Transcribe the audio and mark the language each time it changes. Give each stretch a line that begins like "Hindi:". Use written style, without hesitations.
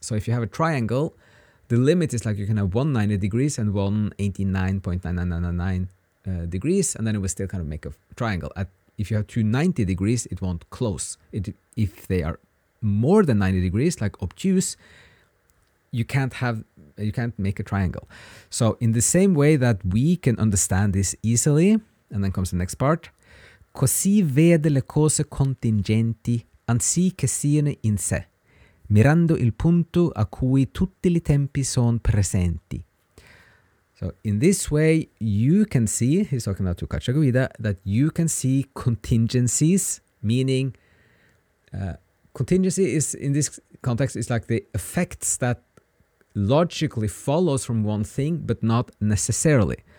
English: So if you have a triangle, the limit is like you can have one 90 degrees and one 89.9999 degrees, and then it will still kind of make a triangle. If you have two 90 degrees, it won't close. If they are more than 90 degrees, like obtuse, you can't make a triangle. So in the same way that we can understand this easily, and then comes the next part.
Italian: Così vede le cose contingenti, anzi che siano in sé, mirando il punto a cui tutti i tempi sono presenti.
English: So in this way, you can see, he's talking now to Cacciaguida, that you can see contingencies, meaning contingency is, in this context, is like the effects that logically follows from one thing, but not necessarily.